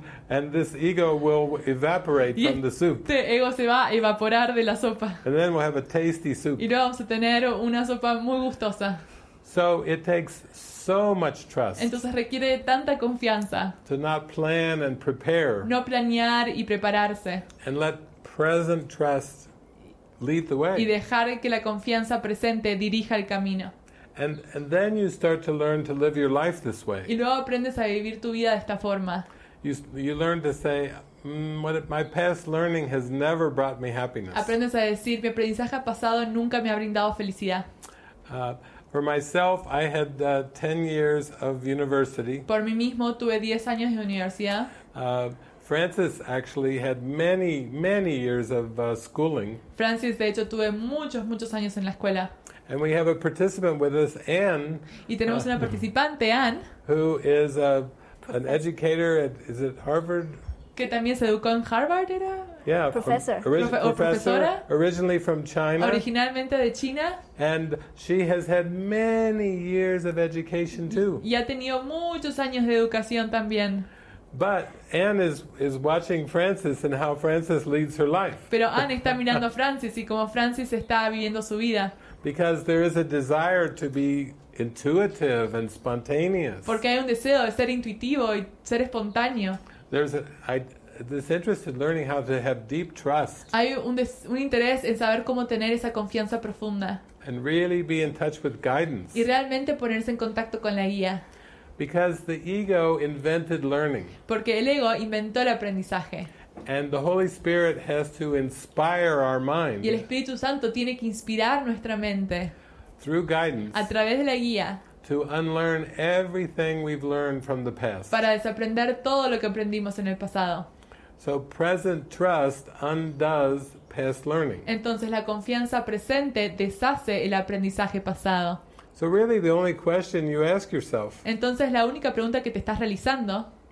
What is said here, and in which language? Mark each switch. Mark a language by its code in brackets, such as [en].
[en] And this ego will evaporate from the soup. [es] Este ego se va a evaporar de la sopa. [en] And then we'll have a tasty soup. [es] Y luego vamos a tener una sopa muy gustosa. [en] So it takes so much trust. [es] Entonces requiere tanta confianza. [en] To not plan and prepare. [es] No planear y prepararse. [en] And let present trust lead the way. [es] Y dejar que la confianza presente dirija el camino. [en] And then you start to learn to live your life this way. [es] Y luego aprendes a vivir tu vida de esta forma. [en] You learn to say, my past learning has never brought me happiness. [es] Aprendes a decir, mi aprendizaje pasado nunca me ha brindado felicidad. [en] For myself, I had 10 years of university. [es] Por mí mismo tuve 10 años de universidad. [en] Francis actually had many, many years of schooling. [es] Francis, de hecho, tuve muchos años en la escuela. [en] And we have a participant with us, Anne. [es] Y tenemos una participante, Anne. [en] Who is an educator at, is it Harvard? [es] Que también se educó en Harvard, era? [en] Yeah, [es] professora. [en] Originally from China. [es] Originalmente de China. [en] And she has had many years of education too. [es] Y ha tenido muchos años de educación también. [en] But Anne is watching Frances and how Frances leads her life. [es] Pero Anne está mirando a Frances y cómo Frances está viviendo su vida. [en] Because there is a desire to be intuitive and spontaneous. [es] Porque hay un deseo de ser intuitivo y ser espontáneo. [en] This interest in learning how to have deep trust. [es] Hay un interés en saber cómo tener esa confianza profunda. [en] And really be in touch with guidance. [es] Y realmente ponerse en contacto con la guía. [en] Because the ego invented learning. [es] Porque el ego inventó el aprendizaje. [en] And the Holy Spirit has to inspire our mind. [es] Y el Espíritu Santo tiene que inspirar nuestra mente. [en] Through guidance. [es] A través de la guía. [en] To unlearn everything we've learned from the past. [es] Para desaprender todo lo que aprendimos en el pasado. [en] So present trust undoes past learning. [es] Entonces la confianza presente deshace el aprendizaje pasado. [en] So really the only question you ask yourself. [es] Entonces la única pregunta que te estás realizando.